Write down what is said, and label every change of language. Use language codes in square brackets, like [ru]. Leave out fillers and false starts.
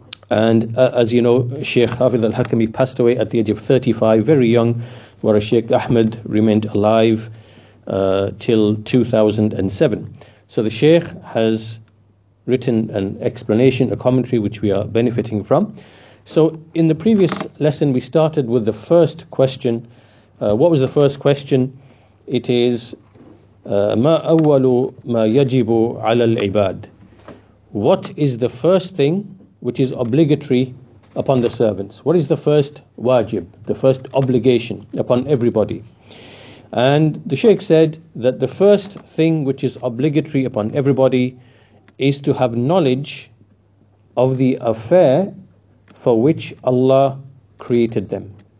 [en] And as you know, Sheikh Hafiz Al-Hakami passed away at the age of 35, very young, whereas Sheikh Ahmed remained alive till 2007. So the Sheikh has written an explanation, a commentary, which we are benefiting from. So in the previous lesson, we started with the first question. What was the first question? [ar] It is, ما أول ما يجب على العباد? [en] What is the first thing which is obligatory upon the servants? What is the first wajib, the first obligation upon everybody? And the Shaykh said that the first thing which is obligatory upon everybody is to have knowledge of the affair for which Allah created them.